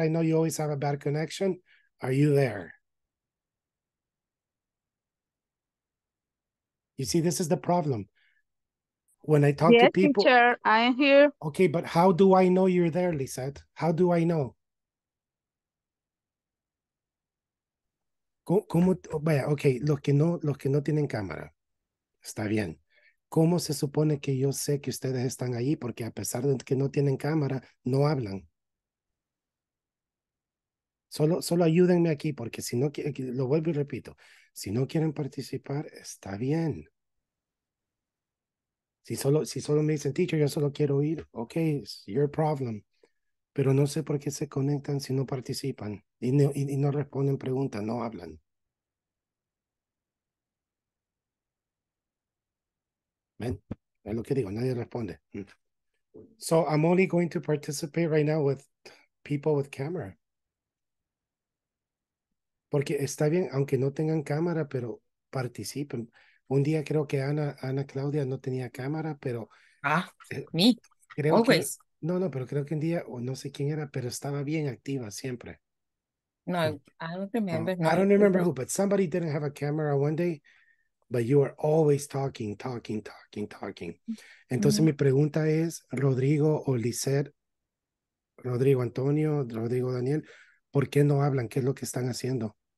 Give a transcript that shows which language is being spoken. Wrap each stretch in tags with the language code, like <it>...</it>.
<en>I know you always have a bad connection. Are you there? You see, this is the problem. When I talk yes, to people. Teacher, I am here. Okay, but how do I know you're there, Lisette? How do I know?</en> <es>¿Cómo, vaya, okay, los que no tienen cámara. Está bien. ¿Cómo se supone que yo sé que ustedes están ahí? Porque a pesar de que no tienen cámara, no hablan. Solo ayúdenme aquí, porque si no, lo vuelvo y repito. Si no quieren participar, está bien. Si solo me dicen, teacher, yo solo quiero ir. Ok,</es> <en>it's your problem.</en> <es>Pero no sé por qué se conectan si no participan. Y no responden preguntas, no hablan. Ven, es lo que digo, nadie responde.</es> <en>So I'm only going to participate right now with people with camera.</en> <es>Porque está bien, aunque no tengan cámara, pero participen. Un día creo que Ana Claudia no tenía cámara, pero... Ah, me, creo</es> <en>always.</en> <es>Que, no, no, pero creo que un día, no sé quién era, pero estaba bien activa siempre.</es> <en>No, I don't remember. I don't remember who, but somebody didn't have a camera one day, but you are always talking, talking, talking, talking.</en> <es>Entonces mm-hmm. Mi pregunta es, Rodrigo o Lizette, Rodrigo Antonio, Rodrigo Daniel... ¿Por qué no hablan? ¿Qué es lo que están haciendo?</es>